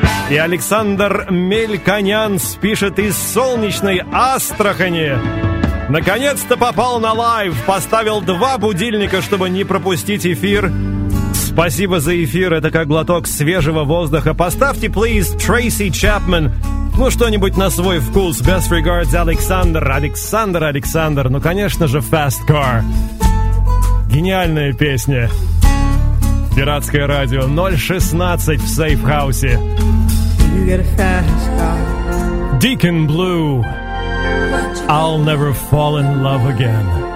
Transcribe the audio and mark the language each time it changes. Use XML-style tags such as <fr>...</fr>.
<ru>И Александр Мельканян пишет из солнечной Астрахани. Наконец-то попал на лайв, поставил два будильника, чтобы не пропустить эфир. Спасибо за эфир, это как глоток свежего воздуха. Поставьте, please, Tracy Chapman. Ну, что-нибудь на свой вкус.</ru> <en>Best regards, Александр.</en> <ru>Александр, Александр, ну, конечно же, Fast Car. Гениальная песня. Пиратское радио, 016 в сейф-хаусе.</ru> <en>You get a fast car. Deacon Blue. I'll never fall in love again.</en>